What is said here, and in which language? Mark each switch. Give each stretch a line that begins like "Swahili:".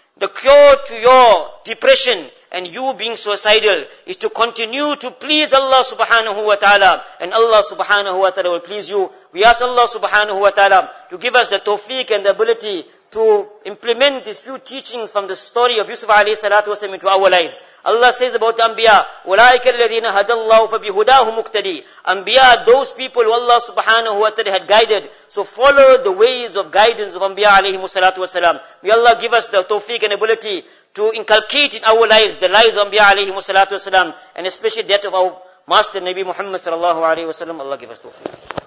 English: The cure to your depression and you being suicidal is to continue to please Allah subhanahu wa ta'ala, and Allah subhanahu wa ta'ala will please you. We ask Allah subhanahu wa ta'ala to give us the tawfiq and the ability to implement these few teachings from the story of Yusuf alayhi salatu wasalam into our lives. Allah says about the Anbiya,
Arabic: أُولَٰئِكَ الَّذِينَ هَدَى اللَّهُ فَبِهُدَاهُ مُقْتَدِي.
English: Anbiya, those people who Allah subhanahu wa ta'ala had guided, so follow the ways of guidance of Anbiya alayhi salatu wasalam. May Allah give us the tawfiq and ability to inculcate in our lives the lives of Anbiya alayhi salatu wasalam, and especially that of our master Nabi Muhammad sallallahu alayhi wasalam. Allah give us tawfiq.